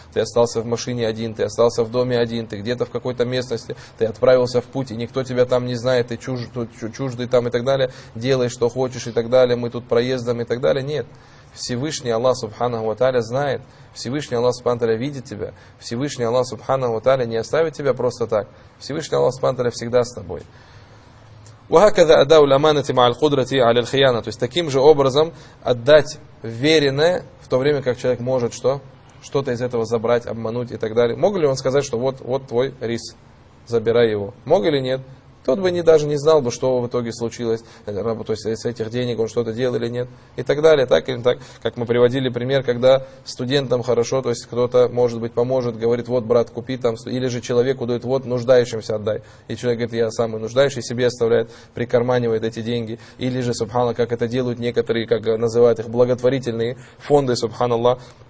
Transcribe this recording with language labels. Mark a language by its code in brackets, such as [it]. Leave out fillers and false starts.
[ru] Ты остался в машине один, ты остался в доме один, ты где-то в какой-то местности, ты отправился в путь, и никто тебя там не знает, ты чуждый там и так далее, делай, что хочешь и так далее, мы тут проездом и так далее. Нет. Всевышний Аллах Субхану Таля знает, Всевышний Аллах Субхану Таля видит тебя, Всевышний Аллах Субхану Таля не оставит тебя просто так. Всевышний Аллах Субхану Таля всегда с тобой. [ar] وهكذا أداء الأمانة مع القدرة على الخيانة. [ru] То есть таким же образом отдать вверенное в то время, как человек может что? Что-то из этого забрать, обмануть и так далее. Мог ли он сказать, что вот твой рис, забирай его? Мог или нет? Тот бы даже не знал бы, что в итоге случилось, то есть с этих денег он что-то делал или нет, и так далее, так или так, как мы приводили пример, когда студентам хорошо, то есть кто-то, может быть, поможет, говорит, вот, брат, купи там, или же человеку дает, вот, нуждающимся отдай, и человек говорит, я самый нуждающий, себе оставляет, прикарманивает эти деньги, или же, субханаллах, как это делают некоторые, как называют их, благотворительные фонды, субханаллах.